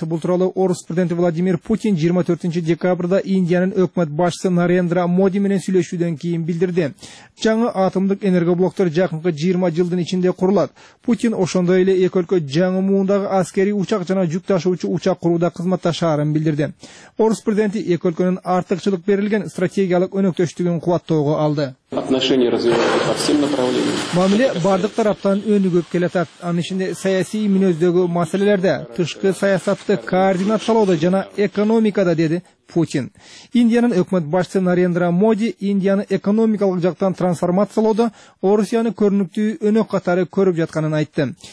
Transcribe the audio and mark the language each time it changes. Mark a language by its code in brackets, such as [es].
[ky] Бул тууралуу орус президенти Владимир Путин 24 декабрда Индиянын өкмөт башчысы Нарендра Моди менен сүйлөшүүдөн кийин билдирди. Жаңы атомдук энергоблоктор жакынкы 20 жылдын ичинде курулат. Путин ошондой эле эки өлкө жаңы муундагы аскерий учак жана жүк ташуучу учак курууда кызматташарын билдирди. Орус президенти эки өлкөнүн артыкчылык берилген стратегиялык өнөктөштүгүн кубаттоого алды. [ru] Отношения развиваются по всем направлениям. [ky] Мамиле бардык тараптан өнүгүп келатат. Анын ичинде саясий мүнөздөгү маселелерде, тышкы саясатты координациялоодо жана экономикада, деди Путин. Индиянын өкмөт башчысы Нарендра Моди Индияны экономикалык жактан трансформациялоодо Орусияны көрүнүктүү өнөк катары көрүп жатканын айтты.